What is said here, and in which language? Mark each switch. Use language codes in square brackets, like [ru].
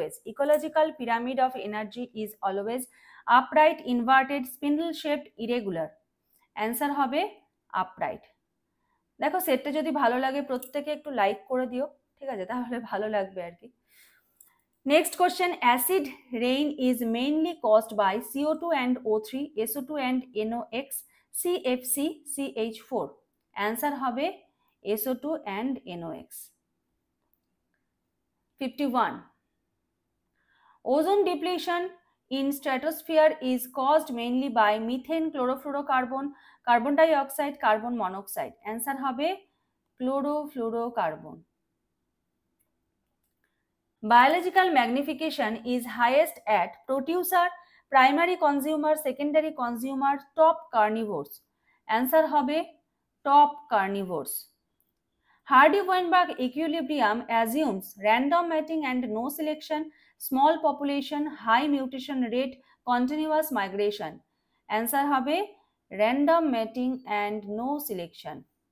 [en] Ecological pyramid of energy is always upright, inverted, spindle shaped, irregular. Answer hobe upright. [bn] দেখো সেটটা যদি ভালো লাগে প্রত্যেককে একটু লাইক করে দিও, ঠিক আছে, তাহলে ভালো লাগবে আর কি। [en] Next question, acid rain is mainly caused by CO2 and O3, SO2 and NOx, CFC, CH4। [bn] Answer হবে [en] SO2 and NOx। 51. Ozone depletion in stratosphere is caused mainly by methane, chlorofluorocarbon, carbon dioxide, carbon monoxide. [bn] Answer হবে [en] Chlorofluorocarbon. Biological magnification is highest at producer, primary consumer, secondary consumer, top carnivores. [bn] Answer হবে [en] Top carnivores. Hardy Weinberg equilibrium assumes random mating and no selection, small population, high mutation rate, continuous migration. [bn] Answer হবে [en] random mating and no selection.